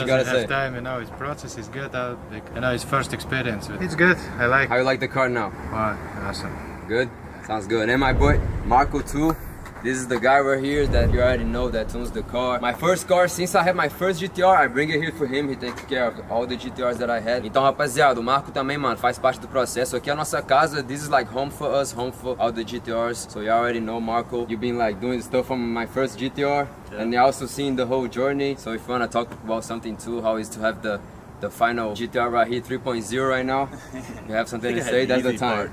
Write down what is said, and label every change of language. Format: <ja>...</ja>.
<en>you gotta have say. Time, you know, his process is good. You know, his first experience. It's good. I like. How you like the car now? Awesome. Good? Sounds good. And my boy, Marco too. This is the guy right here that you already know that owns the car. My first car, since I had my first GTR, I bring it here for him. He takes care of all the GTRs that I had.</en> <pt>Então, rapaziada, o Marco também, mano, faz parte do processo. Aqui é a nossa casa.</pt> <en>This is like home for us, home for all the GTRs. So you already know, Marco. You've been like doing stuff from my first GTR. Yeah. And you also seen the whole journey. So if you want to talk about something too, how is to have the final GTR right here, 3.0 right now. You have something to say, that's the time.</en>